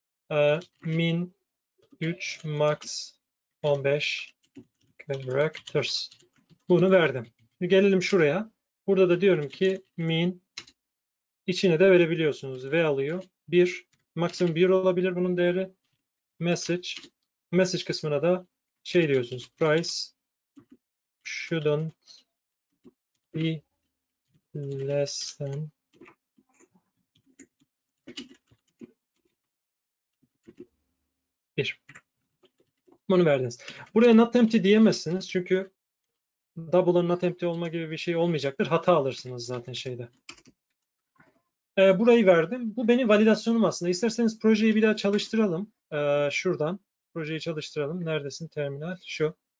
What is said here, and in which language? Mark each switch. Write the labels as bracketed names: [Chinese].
[English] Title can be min 3, max 15 characters. [Turkish] Bunu verdim. Gelelim şuraya. Burada da diyorum ki min içine de verebiliyorsunuz. V alıyor. 1. Maksimum 1 olabilir bunun değeri. Message. Message kısmına da şey diyorsunuz. [English] Price shouldn't be less bir. [Turkish] Bunu verdiniz. Buraya not empty diyemezsiniz. Çünkü double'ın not empty olma gibi bir şey olmayacaktır. Hata alırsınız zaten şeyde. Burayı verdim. Bu benim validasyonum aslında. İsterseniz projeyi bir daha çalıştıralım. Şuradan projeyi çalıştıralım. Neredesin terminal? Şu.